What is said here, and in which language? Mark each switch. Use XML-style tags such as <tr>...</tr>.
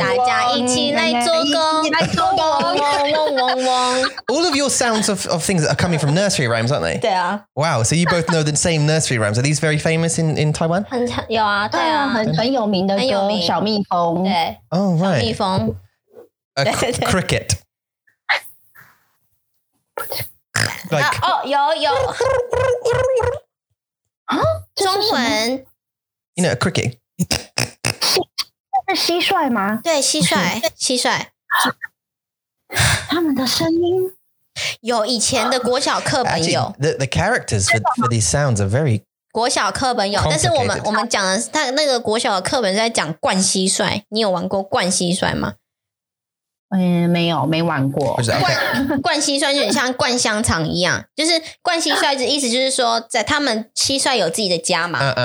<zh>大家一起来做工，嗡嗡嗡嗡。</zh> <en>All of your sounds of things are coming from nursery rhymes, aren't they?</en> <zh>对啊。</zh> <en>Wow, so you both know the same nursery rhymes. Are these very famous in Taiwan?</en> <zh>有啊，对啊，很有名的歌，小蜜蜂。对。</zh> <en>Oh, right.</en> <zh>小蜜蜂。</zh> <en>Cricket.</en> <zh>Like, 有。啊，中文。</zh> <en>You know, a cricket.</en> <zh>是蟋蟀吗？对，蟋蟀，蟋蟀。他们的声音有以前的国小课本有。</zh> <en>Actually, the characters for these sounds are very</en> <zh>国小课本有，但是我们讲的是他那个国小的课本在讲灌蟋蟀。你有玩过灌蟋蟀吗？没有，没玩过。灌蟋蟀就很像灌香肠一样，就是灌蟋蟀的意思就是说，在他们蟋蟀有自己的家嘛。</zh>